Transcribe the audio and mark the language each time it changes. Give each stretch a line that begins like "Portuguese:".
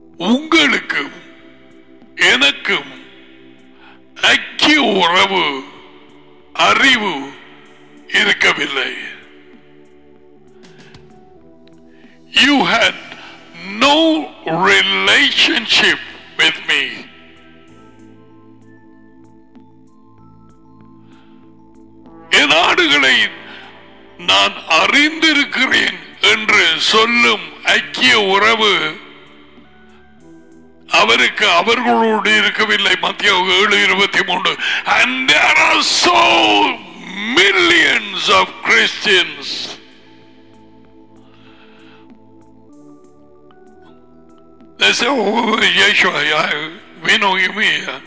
Tamil: Ungalkkum enakkum ஐக்கிய உறவு அறிவு இருக்கவில்லை.
English: You had no relationship with me.
Tamil: என் ஆடுகளை நான் அறிந்திருக்கிறேன் என்று சொல்லும் ஐக்கிய உறவு அவருக்கு அவர்களோடு இருக்கவில்லை. மத்தேயு 7:23.
English: And there are so millions of Christians. They say, oh, Yeshua, we know you mean.